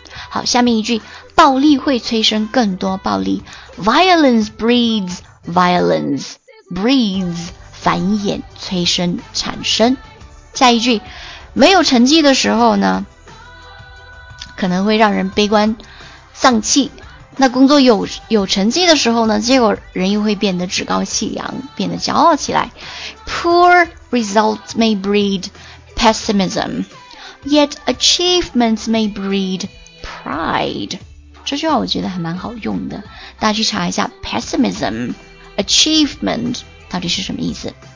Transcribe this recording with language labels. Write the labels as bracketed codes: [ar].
[zh] 好，下面一句，暴力会催生更多暴力。 [en] Violence breeds violence. [zh] Breeds 繁衍、催生、产生。下一句，没有成绩的时候呢，可能会让人悲观、丧气。那工作有成绩的时候呢结果人又会变得趾高气扬变得骄傲起来 [en] Poor results may breed pessimism Yet achievements may breed pride [zh] 这句话我觉得还蛮好用的大家去查一下 pessimism achievement 到底是什么意思